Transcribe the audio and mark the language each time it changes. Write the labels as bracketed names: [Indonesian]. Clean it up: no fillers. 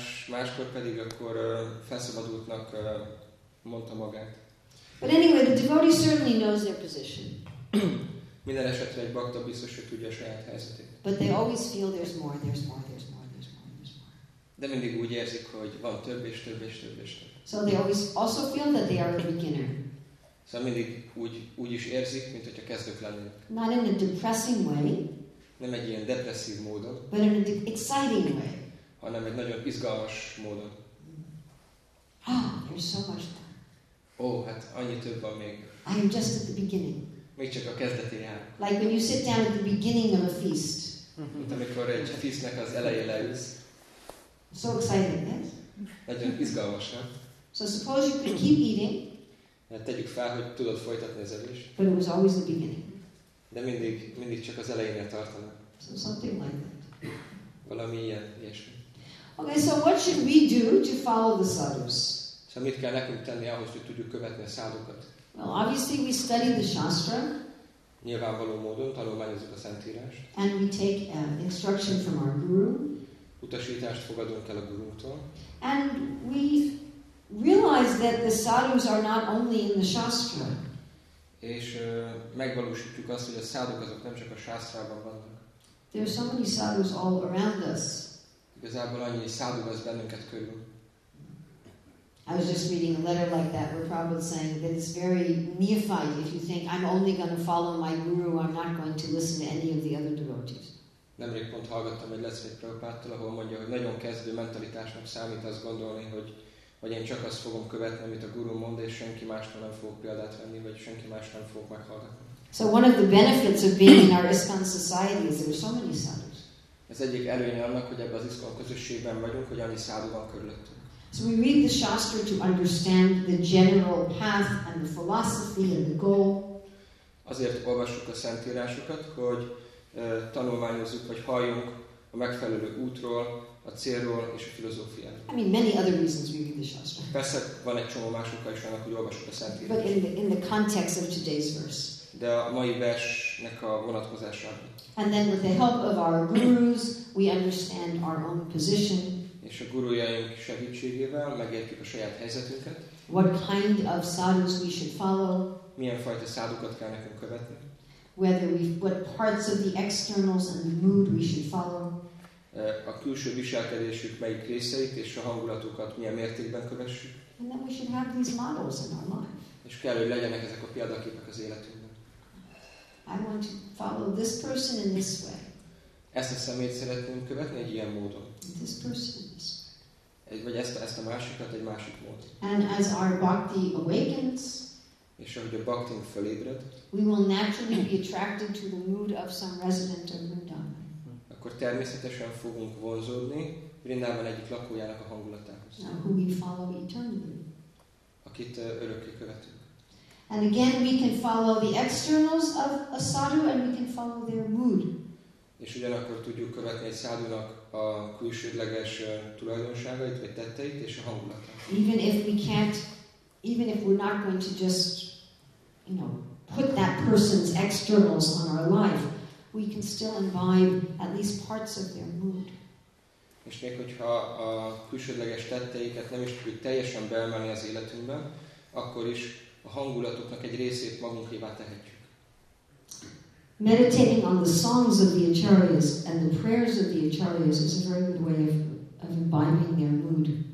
[Hungarian] Máskor pedig akkor felszabadultnak mondta magát. [English] But anyway, the devotee certainly knows their position. [Hungarian] Minden esetre egy bhakta biztos, hogy tudja a saját helyzetét. [English] But they always feel there's more, there's more, there's more, there's more, there's more. [Hungarian] De mindig úgy érzik, hogy van több és több és több és több. [English] So they always also feel that they are a beginner. [Hungarian] Szóval mindig úgy is érzik, mint hogyha kezdők lennének. [English] Not in a depressing way. [Hungarian] Nem egy ilyen depresszív módon. [English] But in an exciting way. [Hungarian] Hanem egy nagyon izgalmas módon. [English] Ah, there's so much more. [Hungarian] Oh, hát annyi több van még. [English] I am just at the beginning. [Hungarian] Még csak a kezdetén jár. [English] Like when you sit down at the beginning of a feast. [Hungarian] Mint amikor egy feastnek az elején leülsz. [English] So exciting, yes? [Hungarian] Nagyon izgalmas, nem? [English] So suppose you could keep eating. [Hungarian] Hát tegyük fel, hogy tudod folytatni az evést. [English] But it was always the beginning. [Hungarian] De mindig csak az elejénél tartanak. [English] So something like that. [Hungarian] Valami ilyen, ilyesmi. [English] Okay, so what should we do to follow the sadhus? [Hungarian] So mit kell nekünk tenni ahhoz, hogy tudjuk követni a sadhukat? [English] Well, obviously we study the shastra. [Hungarian] Nyilvánvaló módon tanulmányozzuk a szentírást. [English] And we take instruction from our guru. [Hungarian] Utasítást fogadunk el a gurunktól. [English] And we realize that the sadhus are not only in the shastra. [Hungarian] És megvalósítjuk azt, hogy a sadhuk azok nem csak a shastrában vannak. [English] There are so many sadhus all around us. [Hungarian] Igazából annyi szádu vesz bennünket körül. [English] I was just reading a letter like that where Prabhupada saying that it's very neophyte if you think I'm only going to follow my guru, I'm not going to listen to any of the other devotees. [Hungarian] Nemrég pont hallgattam egy leckét Prabhupádtól, ahol mondja, hogy nagyon kezdő mentalitásnak számít azt gondolni, hogy én csak azt fogom követni, amit a guru mond, és senki másra nem fogok példát venni, vagy senki másra nem fogok meghallgatni. [English] So one of the benefits of being in our ISKCON society is there are so many sadhus. [Hungarian] Ez egyik előnye annak, hogy ebben az ISKCON közösségben vagyunk, hogy annyi sadhu van körülöttünk. [English] So we read the Shastra to understand the general path and the philosophy and the goal. [Hungarian] Azért olvassuk a szentírásokat, hogy tanulmányozzuk, vagy halljunk a megfelelő útról, a célról és a filozófiáról. [English] I mean, many other reasons we read the Shastra. [Hungarian] Persze van egy csomó más oka is annak, hogy olvassuk a szentírásokat. [English] But in the context of today's verse. [Hungarian] De a mai versnek a vonatkozásában. [English] And then with the help of our gurus, we understand our own position. [Hungarian] És a gurujaink segítségével megértjük a saját helyzetünket. [English] What kind of sadhus we should follow? [Hungarian] Milyen fajta sadhukat kell nekünk követni? [English] Whether we what parts of the externals and the mood we should follow? [Hungarian] A külső viselkedésük melyik részeit és a hangulatukat milyen mértékben kövessük? [English] And then we should have these models in our life. [Hungarian] És kell, hogy legyenek ezek a példaképek az életünkben. [English] I want to follow this person in this way. [Hungarian] Ezt a személyt szeretnénk követni egy ilyen módon. [English] This person is. [Hungarian] Vagy ezt a másikat egy másik módon. [English] And as our bhakti awakens, [Hungarian] és ahogy a bhaktink felébred, [English] we will naturally be attracted to the mood of some resident of Vrindavan. [Hungarian] Akkor természetesen fogunk vonzódni Vrindavan egyik lakójának a hangulatához. [English] Now, who we follow eternally. [Hungarian] Akit örökké követünk. [English] And again, we can follow the externals of a sadhu, and we can follow their mood. [Hungarian] És ugyanakkor tudjuk követni egy szádunak a külsődleges tulajdonságait, vagy tetteit és a hangulatát. [English] Even if we can't, even if we're not going to just, you know, put that person's externals on our life, we can still imbibe at least parts of their mood. [Hungarian] És még hogyha a külsődleges tetteiket nem is tudjuk teljesen beemelni az életünkben, akkor is a hangulatoknak egy részét magunkévá tehetjük. [English] Meditating on the songs of the acharyas and the prayers of the acharyas is a very good way of imbibing their mood.